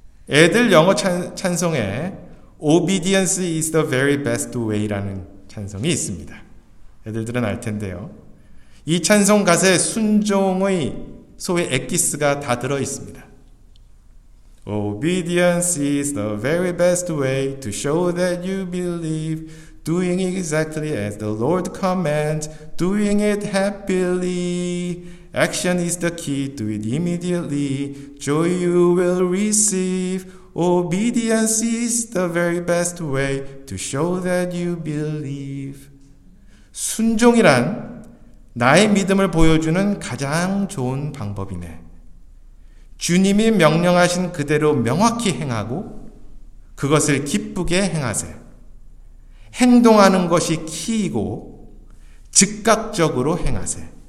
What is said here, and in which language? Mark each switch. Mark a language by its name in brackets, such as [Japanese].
[Korean] 애들 영어 찬송에 [English] Obedience is the very best way [Korean] 라는 찬송이 있습니다. 애들들은 알 텐데요. 이 찬송 가사에 순종의 소위 엑기스가 다 들어 있습니다. [English] Obedience is the very best way to show that you believe, doing exactly as the Lord commands, doing it happily. Action is the key, do it immediately, joy you will receive. Obedience is the very best way to show that you believe. [Korean] 순종이란 나의 믿음을 보여주는 가장 좋은 방법이네. 주님이 명령하신 그대로 명확히 행하고 그것을 기쁘게 행하세. 행동하는 것이 키이고 즉각적으로 행하세.